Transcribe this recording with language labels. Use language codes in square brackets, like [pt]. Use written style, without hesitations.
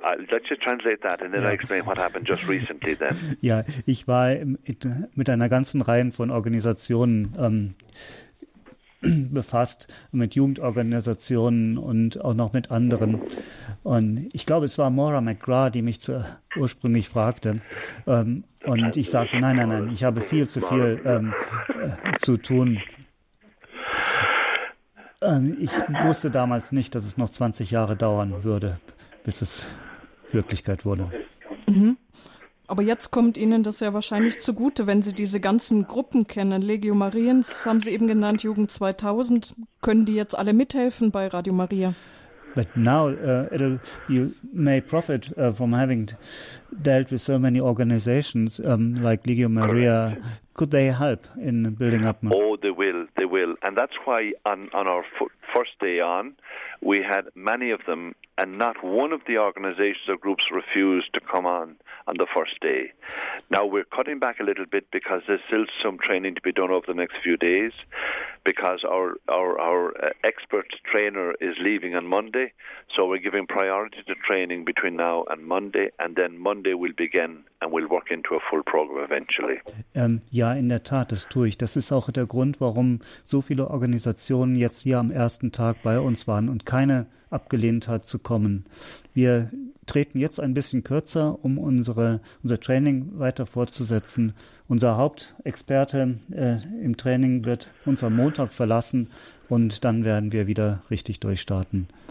[en] Let's just translate that and then I explain what happened just recently then. [de] Ja, ich war mit einer ganzen Reihe von Organisationen befasst, mit Jugendorganisationen und auch noch mit anderen. Und ich glaube, es war Maura McGrath, die mich ursprünglich fragte. Und ich sagte, nein, ich habe viel zu viel zu tun. Ich wusste damals nicht, dass es noch 20 Jahre dauern würde, bis es Wirklichkeit wurde. Mhm. Aber jetzt kommt Ihnen das ja wahrscheinlich zugute, wenn Sie diese ganzen Gruppen kennen. Legio Mariens haben Sie eben genannt, Jugend 2000. Können die jetzt alle mithelfen bei Radio Maria? [en] But now you may profit from having dealt with so many organizations like Legio Maria. Correct. Could they help in building up? Oh, they will. They will. And that's why on our first day on, we had many of them, and not one of the organizations or groups refused to come on the first day. Now we're cutting back a little bit because there's still some training to be done over the next few days, because our expert trainer is leaving on Monday, so we're giving priority to training between now and Monday, and then Monday we'll begin and we'll work into a full program eventually. [de] Ja, in der Tat, das tue ich. Das ist auch der Grund, warum so viele Organisationen jetzt hier am ersten Tag bei uns waren und keine abgelehnt hat zu kommen. Wir treten jetzt ein bisschen kürzer, um unser Training weiter fortzusetzen. Unser Hauptexperte im Training wird uns am Montag verlassen und dann werden wir wieder richtig durchstarten.